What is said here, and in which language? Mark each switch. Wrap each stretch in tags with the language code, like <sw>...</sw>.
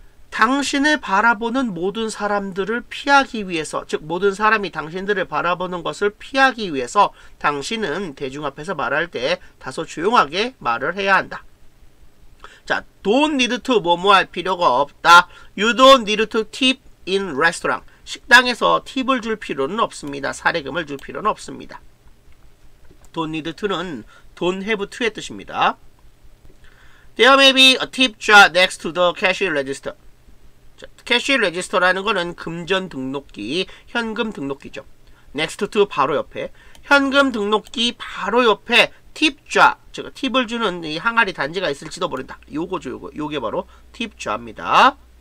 <ko>당신을 바라보는 모든 사람들을 피하기 위해서, 즉 모든 사람이 당신들을 바라보는 것을 피하기 위해서 당신은 대중 앞에서 말할 때 다소 조용하게 말을 해야 한다.</ko> <en>자, don't need to</en> <ko>뭐뭐할 필요가 없다.</ko> <en>You don't need to tip in restaurant.</en> <ko>식당에서 팁을 줄 필요는 없습니다. 사례금을 줄 필요는 없습니다.</ko> <en>don't need to</en> <ko>는</ko> <en>don't have to</en> <ko>의 뜻입니다.</ko> <en>There may be a tip jar next to the cash register.</en> <ko>자, 캐시 레지스터라는 거는 금전 등록기, 현금 등록기죠. Next to 바로 옆에, 현금 등록기 바로 옆에 팁좌, 즉 팁을 주는 이 항아리 단지가 있을지도 모른다. 요거죠, 요거. 요게 바로 팁좌입니다.</ko>